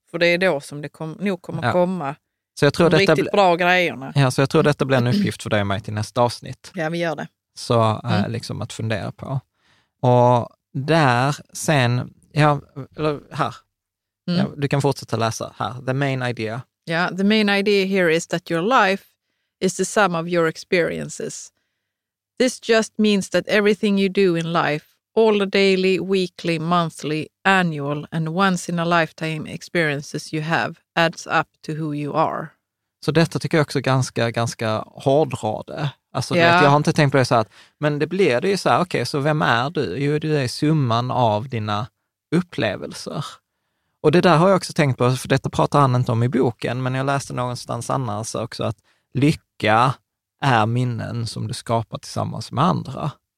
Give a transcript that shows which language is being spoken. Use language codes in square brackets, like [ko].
[sv] För det är då som det kommer komma. Så jag tror de riktigt bra grejerna. Ja, så jag tror detta blir en uppgift för dig och mig till nästa avsnitt. Ja, vi gör det. Så liksom att fundera på. Och där sen, ja, här. Mm. Ja, du kan fortsätta läsa här. [en] The main idea. Ja, yeah, the main idea here is that your life is the sum of your experiences. This just means that everything you do in life, all the daily, weekly, monthly, annual and once in a lifetime experiences you have adds up to who you are. [sv] Så detta tycker jag också är ganska hårdrade. Alltså jag har inte tänkt på det så här, men det blir det ju så här, okej, så vem är du? Jo, du är summan av dina upplevelser. Och det där har jag också tänkt på, för detta pratar han inte om i boken, men jag läste någonstans annars också att lycka är minnen som du skapar tillsammans med andra.